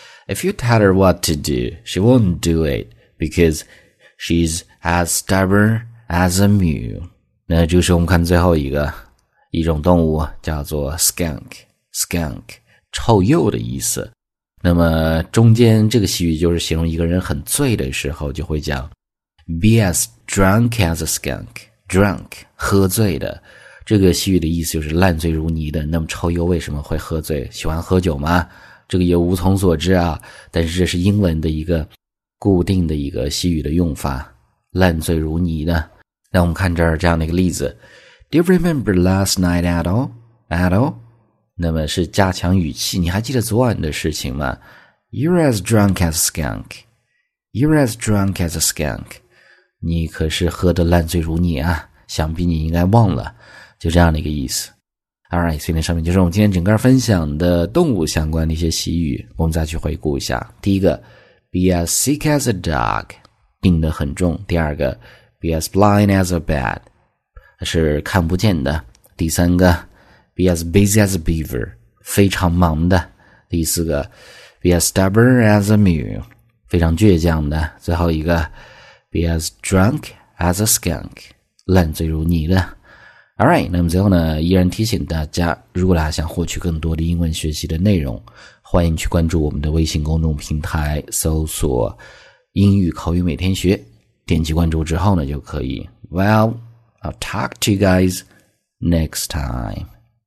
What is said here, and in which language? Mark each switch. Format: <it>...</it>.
<en>If you tell her what to do, she won't do it because she's as stubborn as a mule.</en> <zh>那就是我们看最后一个，一种动物叫做 skunk, skunk, 臭鼬的意思。那么中间这个习语就是形容一个人很醉的时候就会讲</zh> <en>be as drunk as a skunk,</en> <zh>drunk, 喝醉的。这个习语的意思就是烂醉如泥的。那么臭鼬为什么会喝醉？喜欢喝酒吗？这个也无从所知啊，但是这是英文的一个固定的一个习语的用法，烂醉如泥的。那我们看这儿这样的一个例子。</zh> <en>Do you remember last night at all? At all?</en> <zh>那么是加强语气，你还记得昨晚的事情吗？</zh> <en>You're as drunk as a skunk. You're as drunk as a skunk.</en> <zh>你可是喝得烂醉如泥啊，想必你应该忘了。就这样的一个意思。 Alright, 所以那上面就是我们今天整个分享的动物相关的一些习语，我们再去回顾一下。第一个 ,</zh> <en>be as sick as a dog,</en> <zh>病得很重。第二个 ,</zh> <en>be as blind as a bat,</en> <zh>是看不见的。第三个 ,</zh> <en>be as busy as a beaver,</en> <zh>非常忙的。第四个 ,</zh> <en>be as stubborn as a mule,</en> <zh>非常倔强的。最后一个 ,</zh> <en>be as drunk as a skunk,</en> <zh>烂醉如泥的。 Alright, 那么最后呢依然提醒大家，如果大家想获取更多的英文学习的内容，欢迎去关注我们的微信公众平台，搜索英语口语每天学，点击关注之后呢就可以。</zh> <en>Well, I'll talk to you guys next time.</en>